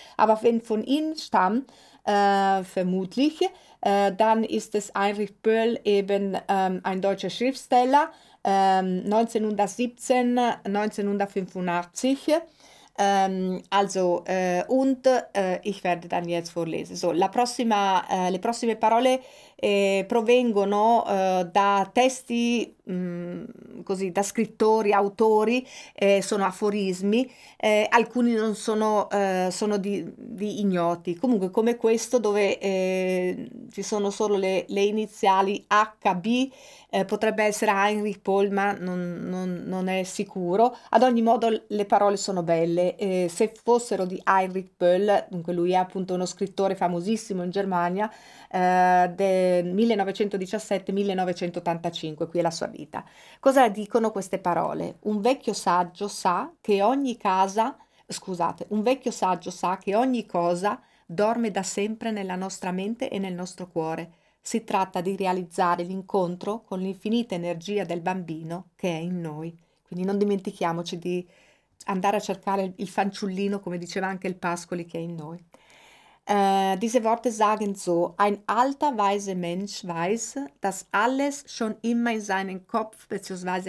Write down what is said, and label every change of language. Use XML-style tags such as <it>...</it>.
<de>Aber wenn von ihm stammt, vermutlich, dann ist es Heinrich Böll eben ein deutscher Schriftsteller, 1917, 1985, also und ich werde dann jetzt vorlesen.</de> <it>So, la prossima, le prossime parole provengono da testi, così, da scrittori, autori, sono aforismi, alcuni non sono, sono di ignoti. Comunque, come questo, dove ci sono solo le iniziali HB, potrebbe essere Heinrich Böll, ma non è sicuro. Ad ogni modo, le parole sono belle. Se fossero di Heinrich Böll, dunque lui è appunto uno scrittore famosissimo in Germania, del 1917-1985, qui è la sua vita. Cosa dicono queste parole? Un vecchio saggio sa che ogni cosa dorme da sempre nella nostra mente e nel nostro cuore. Si tratta di realizzare l'incontro con l'infinita energia del bambino che è in noi. Quindi non dimentichiamoci di andare a cercare il fanciullino, come diceva anche il Pascoli, che è in noi.</it> <de>Diese Worte sagen so: Ein alter, weiser Mensch weiß, dass alles schon immer in seinem Kopf bzw.</de>